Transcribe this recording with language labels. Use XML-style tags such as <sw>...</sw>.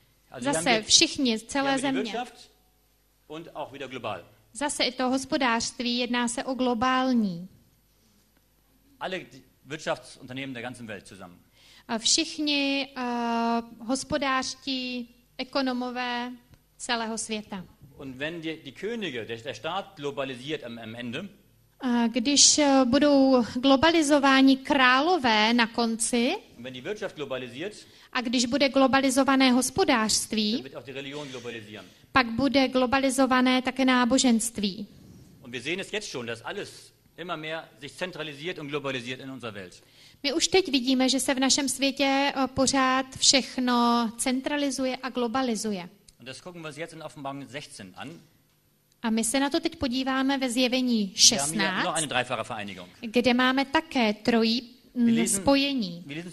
<de>Also</de> <cs>zase die, všichni, celé země.</cs> <de>Und auch wieder global.</de> <cs>Zase i to hospodářství, jedná se o globální.</cs> <de>Alle Wirtschaftsunternehmen der ganzen Welt zusammen.</de> <cs>Všichni hospodářští ekonomové celého světa.</cs> <de>Und wenn die Könige, der Staat globalisiert am Ende.</de> <cs>Když budou globalizováni králové na konci,</cs> <de>und wenn die Wirtschaft globalisiert,</de> <cs>a když bude globalizované hospodářství,</cs> <de>dann wird auch die Religion globalisieren.</de> <cs>Pak bude globalizované také náboženství.</cs> <de>Und wir sehen es jetzt schon, dass alles immer mehr sich zentralisiert und globalisiert in unserer Welt.</de> <cs>My už teď vidíme, že se v našem světě pořád všechno centralizuje a globalizuje.</cs> <de>Und das gucken wir uns jetzt in Offenbarung 16 an.</de> <cs>A my se na to teď podíváme ve zjevení 16, kde máme také trojí spojení.</cs>